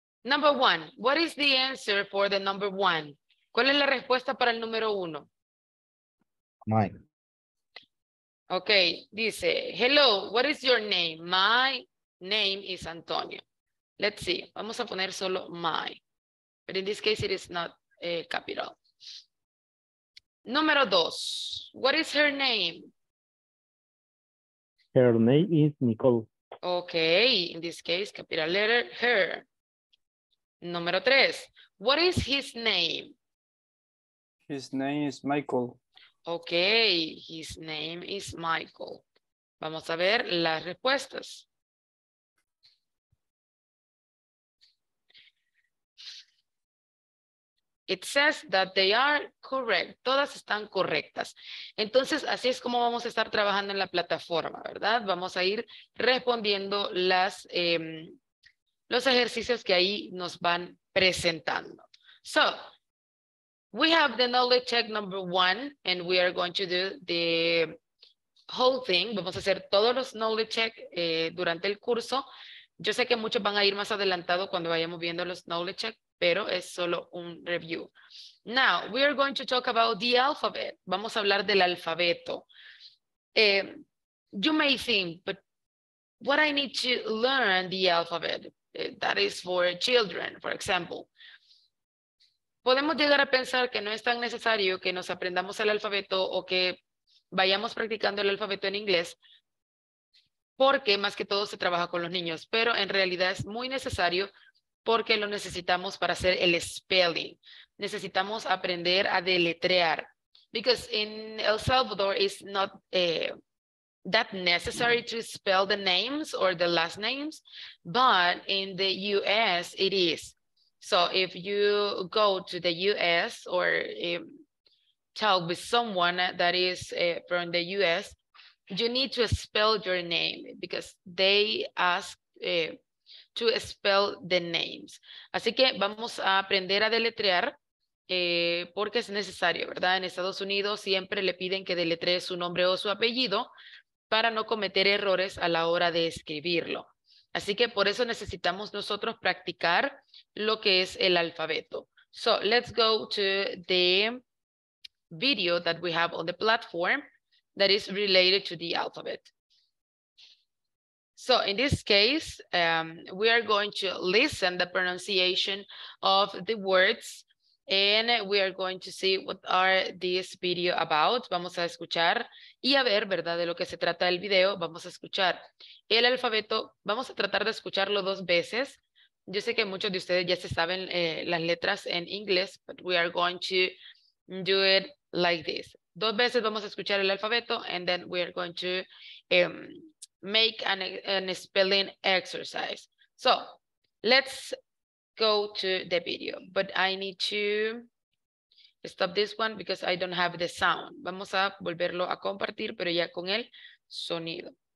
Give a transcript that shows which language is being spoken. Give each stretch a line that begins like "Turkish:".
English: Number one, what is the answer for the number one?
Spanish: ¿Cuál es la respuesta para el número uno?
English: My. Okay,
Spanish: dice,
English: hello, what is your name? My name is Antonio. Let's see,
Spanish: vamos a poner solo my.
English: But in this case, it is not a capital.
Spanish: Número dos,
English: what is her name? Her name is Nicole. Okay, in this case, capital letter, her.
Spanish: Número tres,
English: what is his name? His name is Michael. Okay, his name is Michael.
Spanish: Vamos a ver las respuestas.
English: It says that they are correct.
Spanish: Todas están correctas. Entonces, así es como vamos a estar trabajando en la plataforma, ¿verdad? Vamos a ir respondiendo las, los ejercicios que ahí nos van presentando.
English: So, we have the knowledge check number one, and we are going to do the whole thing.
Spanish: Vamos a hacer todos los knowledge check durante el curso. Yo sé que muchos van a ir más adelantado cuando vayamos viendo los knowledge check, pero es solo un review.
English: Now, we are going to talk about the alphabet.
Spanish: Vamos a hablar del alfabeto.
English: You may think, but what I need to learn the alphabet, that is for children, for example.
Spanish: Podemos llegar a pensar que no es tan necesario que nos aprendamos el alfabeto o que vayamos practicando el alfabeto en inglés, porque más que todo se trabaja con los niños, pero en realidad es muy necesario porque lo necesitamos para hacer el spelling. Necesitamos aprender a deletrear.
English: Because in El Salvador, it's not that necessary to spell the names or the last names, but in the US, it is. So if you go to the US or talk with someone that is from the US, you need to spell your name because they ask to spell the names.
Spanish: Así que vamos a aprender a deletrear porque es necesario, ¿verdad? En Estados Unidos siempre le piden que deletree su nombre o su apellido para no cometer errores a la hora de escribirlo. Así que por eso necesitamos nosotros practicar lo que es el alfabeto.
English: So let's go to the video that we have on the platform that is related to the alphabet. So in this case, we are going to listen the pronunciation of the words And we are going to see what are this video about.
Spanish: Vamos a escuchar y a ver, ¿verdad?, de lo que se trata el video. Vamos a escuchar el alfabeto. Vamos a tratar de escucharlo dos veces. Yo sé que muchos de ustedes ya se saben las letras en inglés,
English: but we are going to do it like this.
Spanish: Dos veces vamos a escuchar el alfabeto,
English: and then we are going to make a spelling exercise. So, let's go to the video, but I need to stop this one because I don't have the sound.
Spanish: Vamos a volverlo a compartir, pero ya con el sonido.